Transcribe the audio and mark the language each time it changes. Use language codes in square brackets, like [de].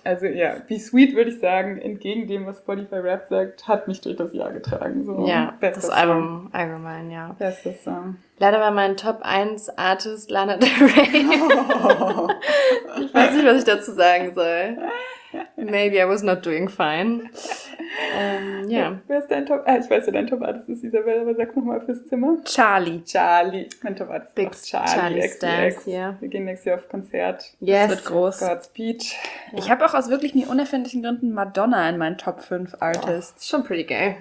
[de] Also ja, be sweet würde ich sagen, entgegen dem, was Spotify Rap sagt, hat mich durch das Jahr getragen. So. Ja, bestes das Album Song. Allgemein, ja. Bestes Song. Leider war mein Top 1 Artist Lana Del Rey. Oh. Ich weiß nicht, was ich dazu sagen soll. [en] Maybe I was not doing fine. [de] Ja. Wer ist dein Top? Ich weiß ja, dein Top-Artist ist Isabel, aber sag nochmal fürs Zimmer. Charlie. Mein Top-Artist ist Charlie. Charlie Stans, ja. Wir gehen nächstes Jahr auf Konzert. [en] Yes. [de] Das wird groß. [en] Godspeed. [de] Ja. Ich habe auch aus wirklich nie unerfindlichen Gründen Madonna in meinen Top 5 Artists. Schon [en] pretty gay.